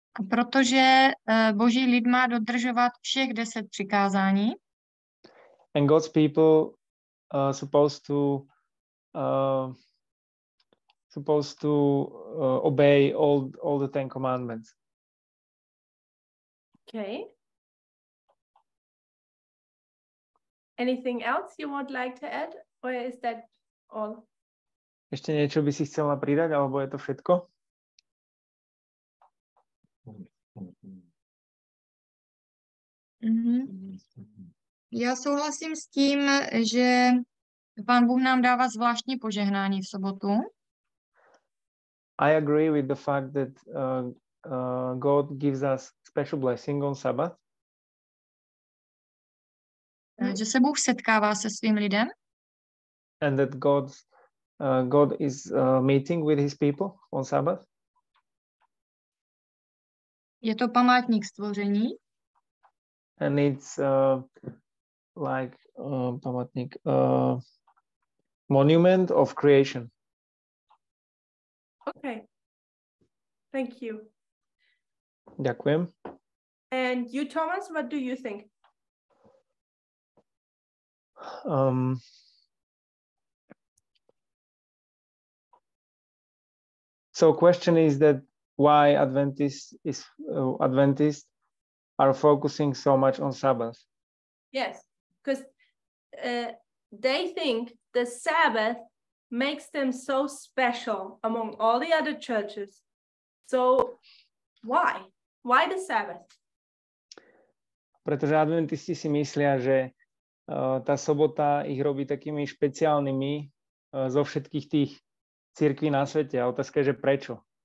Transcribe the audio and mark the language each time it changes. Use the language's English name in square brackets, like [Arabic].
[Czech] Protože Boží lid má dodržovat všech 10 přikázání. [English] And God's people supposed to obey all the 10 commandments. Okay. Anything else you would like to add, or is that all? [Slovak] Ešte niečo by si chcela pridať, alebo je to všetko? Mm-hmm. [Czech] Ja souhlasím s tým, že Pán Bůh nám dává zvláštní požehnání v sobotu. [English] I agree with the fact that God gives us special blessing on Sabbath. [Czech] Že se Bůh setkává se svým lidem. [English] And that God is meeting with his people on Sabbath. [Czech] Je to památník stvoření. [English] And it's like památník monument of creation. Okay. Thank you. [Slovak] Ďakujem. [English] And you, Thomas, what do you think? So question is that why Adventists are focusing so much on Sabbath? Yes, because they think the Sabbath makes them so special among all the other churches. So why? Why the Sabbath? [Slovak] Pretože Adventisti si myslia, že tá sobota ich robí takými špeciálnymi zo všetkých tých cirkví na svete. A otázka je, že prečo?